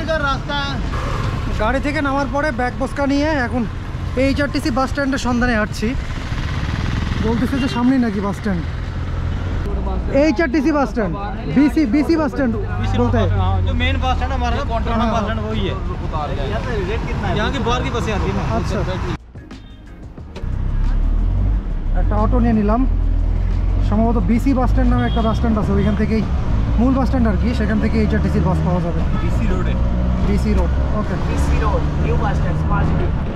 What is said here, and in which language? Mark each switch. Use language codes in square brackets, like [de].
[bn] রাস্তা। গাড়ি থেকে নামার পরে ব্যাগ বস্কা নিয়ে এখন HRTC বাস স্ট্যান্ডের সন্ধানে হাঁটছি। বলতেছে যে সামনেই নাকি bus stand, HRTC bus stand, BC bus stand বলতে হ্যাঁ, তো মেইন বাস স্ট্যান্ড আমাদের কন্ট্রোল বাস স্ট্যান্ড ওই হে। [hi] यहां पे रेट कितना है? यहां की बाहर की बसें आती है। [bn] अच्छा, একটা অটো নিয়ে নিলাম, সম্ভবত BC বাস স্ট্যান্ড নামে একটা বাস স্ট্যান্ড আছে, ওইখান থেকেই মূল বাস স্ট্যান্ড আর কি, সেখান থেকে HRTC বাস পাওয়া যাবে। BC road. ওকে, BC road new bus stand positive.